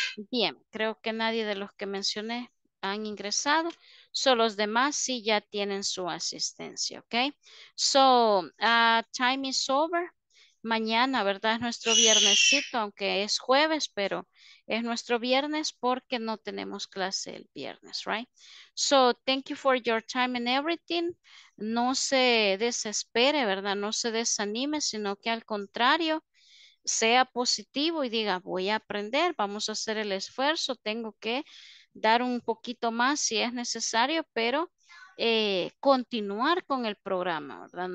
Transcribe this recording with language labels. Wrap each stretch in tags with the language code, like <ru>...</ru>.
<es>Bien, creo que nadie de los que mencioné han ingresado, son los demás sí ya tienen su asistencia, ¿ok? So,</es> <en>time is over.</en> <es>Mañana, ¿verdad? Es nuestro viernesito, aunque es jueves, pero es nuestro viernes porque no tenemos clase el viernes, right?</es> <en>So, thank you for your time and everything.</en> <es>No se desespere, ¿verdad? No se desanime, sino que al contrario, sea positivo y diga, voy a aprender, vamos a hacer el esfuerzo, tengo que dar un poquito más si es necesario, pero continuar con el programa, ¿verdad?</es>